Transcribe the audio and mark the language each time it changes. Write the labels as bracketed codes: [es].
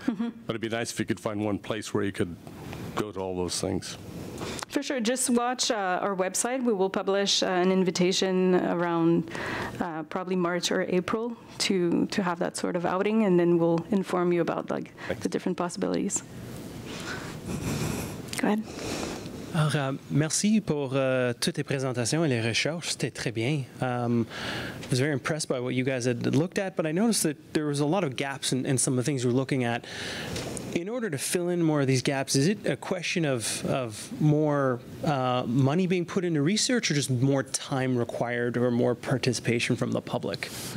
[en] Mm-hmm. But it'd be nice if you could find one place where you could go to all those things. For sure. Just watch our website. We will publish an invitation around probably March or April to have that sort of outing, and then we'll inform you about the different possibilities. Go ahead. [fr] Alors, merci pour toutes les présentations et les recherches. C'était très bien. [en] I was very impressed by what you guys had looked at, but I noticed that there was a lot of gaps in some of the things you were looking at. In order to fill in more of these gaps, is it a question of more money being put into research or just more time required or more participation from the public?